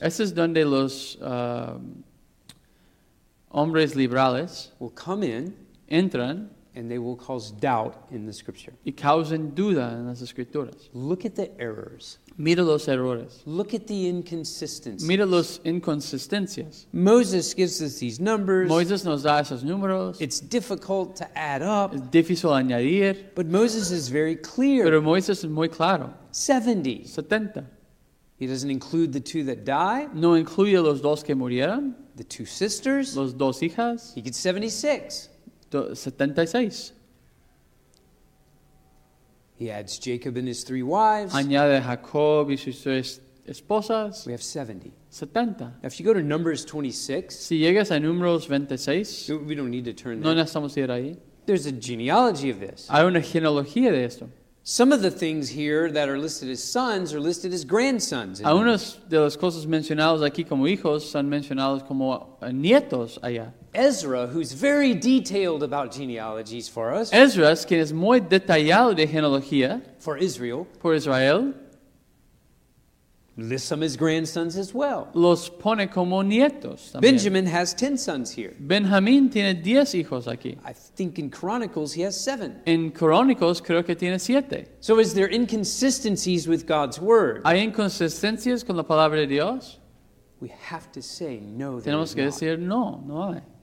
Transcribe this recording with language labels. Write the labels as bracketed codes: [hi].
[es] Este es donde los hombres liberales. [en] Will come in. [es] Entran. [en] and they will cause doubt in the scripture. [es] Y causen duda en las escrituras. [en] Look at the errors. [es] Mira los errores. [en] Look at the inconsistencies. [es] Mira los inconsistencias. [en] Moses gives us these numbers. [es] Moisés nos da esos números. [en] It's difficult to add up. [es] Es difícil añadir. [en] But Moses is very clear. [es] Pero Moisés es muy claro. [en] 70. [es] 70. [en] He doesn't include the two that die. [es] No incluye los dos que murieron. [en] The two sisters. [es] Los dos hijas. [en] He gets 76. [es] 76. [en] He adds Jacob and his three wives. [es] Añade Jacob y sus tres esposas. [en] We have 70. [es] 70. [en] Now, if you go to Numbers 26. [es] Si llegas a Números 26. [en] We don't need to turn there. [es] No necesitamos ir ahí. [en] There's a genealogy of this. [es] Hay una genealogía de esto. [en] Some of the things here that are listed as sons are listed as grandsons. [es] Algunas de las cosas mencionadas aquí como hijos son mencionadas como nietos allá. [en] Ezra, who's very detailed about genealogies for us. [es] Ezra, quien es muy detallado de genealogía. [en] For Israel. [es] Por Israel. [en] Lists some as grandsons as well. [es] Los pone como nietos también. [en] Benjamin has 10 sons here. [es] Benjamín tiene 10 hijos aquí. [en] I think in Chronicles he has 7. [es] En Crónicos creo que tiene 7. [en] So is there inconsistencies with God's word? [es] ¿Hay inconsistencias con la palabra de Dios? [en] We have to say no. [es] Tenemos que decir no, no hay.